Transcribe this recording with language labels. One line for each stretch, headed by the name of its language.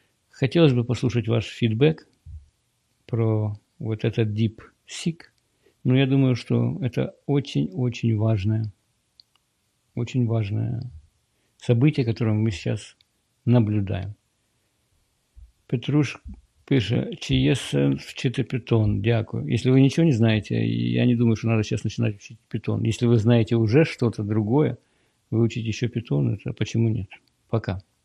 Russian: Хотелось бы послушать ваш фидбэк про вот этот DeepSeek. Но я думаю, что это очень-очень важное событие, которое мы сейчас наблюдаем.
Ukrainian: Петруш пише: «Чи є сенс вчити питон? Дякую».
Russian: Если вы ничего не знаете, я не думаю, что надо сейчас начинать учить питон. Если вы знаете уже что-то другое, выучить еще питон, это почему нет? Пока.